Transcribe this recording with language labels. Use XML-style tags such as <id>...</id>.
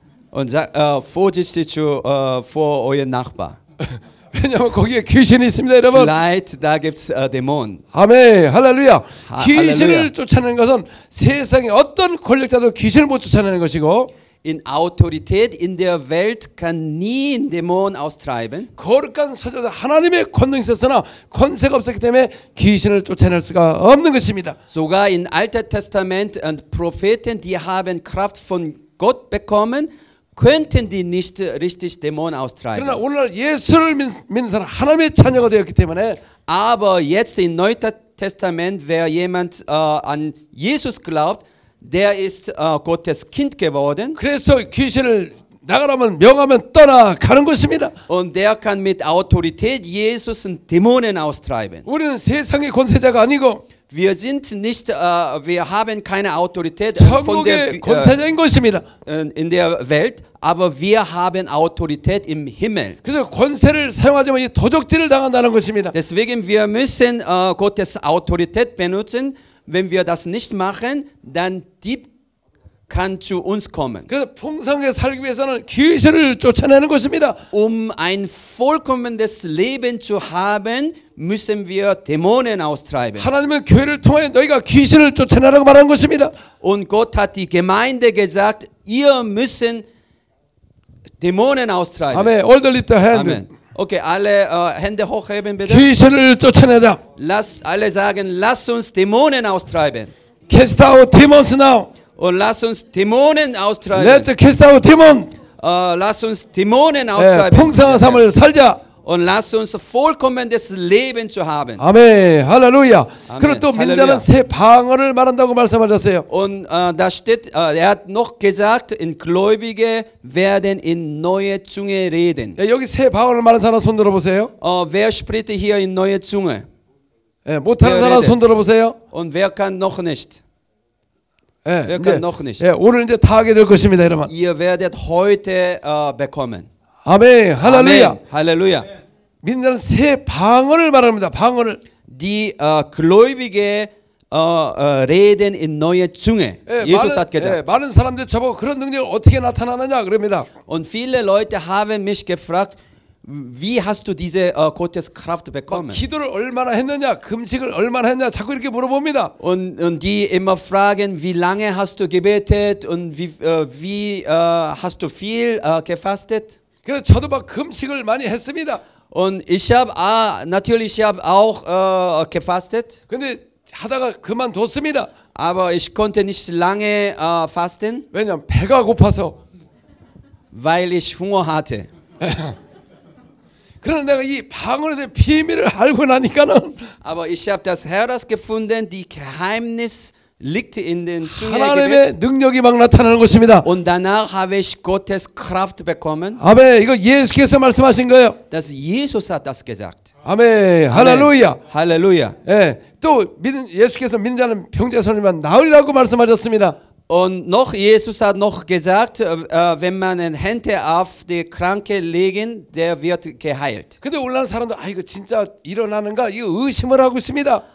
<de>Und vorsichtig vor euren Nachbar.</de> <ko>왜냐하면 거기에 귀신이 있습니다, 여러분.</ko> <de>Vielleicht da gibt's Dämon.</de> <ko>아멘, 할렐루야. 귀신을 쫓아내는 것은 세상에 어떤 권력자도 귀신을 못 쫓아내는 것이고.</ko> <de>In Autorität in der Welt kann nie ein Dämon austreiben.</de> <ko>거룩한 사절에서 하나님의 권능이 있었으나 권세가 없었기 때문에 귀신을 쫓아낼 수가 없는 것입니다.</ko> <de>Sogar in Alter Testament und Propheten, die haben Kraft von Gott bekommen, könnten die nicht richtig Dämon austreiben.</de> <ko>그러나 오늘날 예수를 믿는 사람 하나님의 자녀가 되었기 때문에</ko> <de>Aber jetzt in Neuer Testament, wer jemand an Jesus glaubt, Der ist Gottes Kind geworden.</de> <ko>그래서 귀신을 나가라면 명하면 떠나가는 것입니다.</ko> <de>Und der kann mit Autorität Jesus und Dämonen austreiben.</de> <ko>우리는 세상의 권세자가 아니고</ko> <de>Wir sind nicht wir haben keine Autorität</de> <ko>천국의</ko> <de>von der</de> <ko>권세자인 것입니다.</ko> <de>In der Welt, aber wir haben Autorität im Himmel.</de> <ko>그래서 권세를 사용하지만 이 도적질을 당한다는 것입니다.</ko> <de>Deswegen wir müssen Gottes Autorität benutzen. Wenn wir das nicht machen, dann Dieb kann zu uns kommen.</de> <ko>그래서 풍성하게 살기 위해서는 귀신을 쫓아내는 것입니다.</ko> <de>Um ein vollkommenes Leben zu haben, müssen wir Dämonen austreiben.</de> <ko>하나님은 교회를 통해 너희가 귀신을 쫓아내라고 말한 것입니다.</ko> <de>Und Gott hat die Gemeinde gesagt, ihr müssen Dämonen austreiben.</de> <en>Amen. All the lift the hand.</en> <de>Okay, alle Hände hochheben bitte.</de> <ko>귀신을 쫓아내자.</ko> <de>Lasst alle sagen, lasst uns Dämonen austreiben.</de> <en>Cast out demons now.</en> <de>Und lasst uns Dämonen austreiben.</de> <en>Let's cast out demons.</en> <de>lass uns Dämonen austreiben.</de> <ko>풍성한 삶을 살자.</ko> <de>Und lass uns vollkommen das Leben zu haben. Amen. Halleluja.</de> <ko>그리고 또 민자는 새 방언을 말한다고 말씀하셨어요.</ko> <de>Und da steht, er hat noch gesagt, in Gläubige werden in neue Zunge reden.</de> <ko>예, 여기 새 방언을 말한 사람 손 들어보세요.</ko> <de>Wer spricht hier in neue Zunge?</de> <ko>예, 못하는 사람 손 들어보세요.</ko> <de>Und wer kann noch nicht? 예, wer 이제, kann noch nicht?</de> <ko>예, 오늘 이제 다 하게 될 것입니다, 여러분.</ko> <de>Ihr werdet heute bekommen.</de> <ko>아멘, 할렐루야. 할렐루야. 믿는 새 방언을 말합니다. 방언을.</ko> <de>Die Gläubige reden in neue Zunge.</de> <ko>예수 많은, 예, 예수 사태죠. 많은 사람들이 저보고 그런 능력이 어떻게 나타나느냐 그럽니다.</ko> <de>Und viele Leute haben mich gefragt, wie hast du diese Gottes Kraft bekommen?</de> <ko>기도를 얼마나 했느냐, 금식을 얼마나 했냐, 자꾸 이렇게 물어봅니다.</ko> <de>Und die immer fragen, wie lange hast du gebetet und wie hast du viel gefastet?</de> <ko>그래서 저도 막 금식을 많이 했습니다.</ko> <de>Und ich habe natürlich habe auch gefastet.</de> <ko>근데 하다가 그만뒀습니다.</ko> <de>Aber ich konnte nicht lange fasten.</de> <ko>왜냐면 배가 고파서.</ko> <de>Weil ich Hunger hatte.</de> <ko>그런데 내가 이 방언에 대한 비밀을 알고 나니까는</ko> <de>Aber ich habe das herausgefunden, die Geheimnis liegt in den Zunge.</de> <ko>하나님의 능력이 막 나타나는 것입니다.</ko> <de>Und danach habe ich Gottes Kraft bekommen.</de> <ko>아멘. 이거 예수께서 말씀하신 거예요.</ko> <de>Das Jesus hat das gesagt.</de> <ko>아멘. 할렐루야. 할렐루야. 예. 또 믿는 예수께서 믿는 자는 병자 손이면 나으리라고 말씀하셨습니다.</ko> <de>Und noch Jesus hat noch gesagt, wenn man eine Hände auf die Kranke legen, der wird geheilt.</de> <ko>근데 올라온 사람도 아 이거 진짜 일어나는가? 이거 의심을 하고 있습니다.</ko>